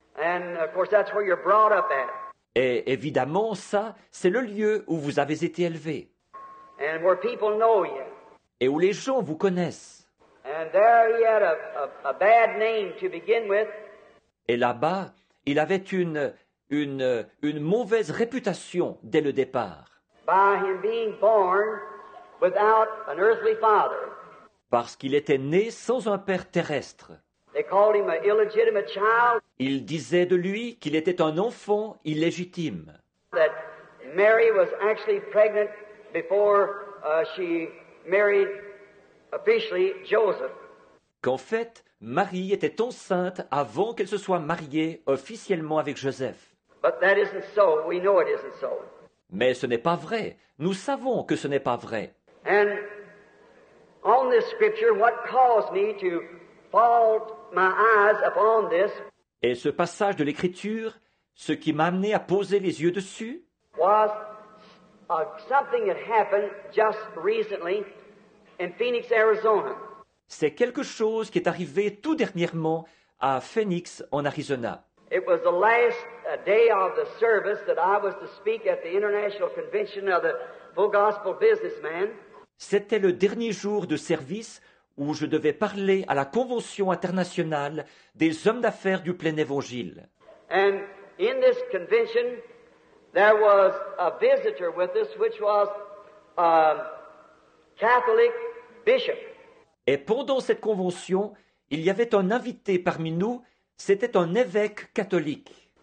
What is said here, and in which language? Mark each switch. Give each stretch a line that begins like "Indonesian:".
English: And of course that's where you're brought up at.
French: Et évidemment ça, c'est le lieu où vous avez été élevé.
English: And where people know you.
French: Et où les gens vous connaissent.
English: And there he had a bad name to begin with.
French: Et là-bas, il avait une mauvaise réputation dès le départ.
English: By him being born without an earthly father.
French: Parce qu'il était né sans un père terrestre.
English: They called him an illegitimate child.
French: Ils disaient de lui qu'il était un enfant illégitime.
English: That Mary was actually pregnant before she married officially Joseph.
French: Qu'en fait, Marie était enceinte avant qu'elle se soit mariée officiellement avec Joseph.
English: But that isn't so. We know it isn't so.
French: Mais ce n'est pas vrai. Nous savons que ce n'est pas vrai.
English: And on this scripture, what caused me to fall my eyes upon this?
French: Et ce passage de l'Écriture, ce qui m'a amené à poser les yeux dessus,
English: was something that happened just recently in Phoenix, Arizona.
French: C'est quelque chose qui est arrivé tout dernièrement à Phoenix, en Arizona.
English: It was the last day of the service that I was to speak at the International Convention of the Full Gospel Businessmen.
French: C'était le dernier jour de service où je devais parler à la Convention internationale des hommes d'affaires du plein évangile.
English: And in this convention, there was a visitor with us, which was a Catholic bishop.
French: Et pendant cette convention, il y avait un invité parmi nous, c'était un évêque catholique.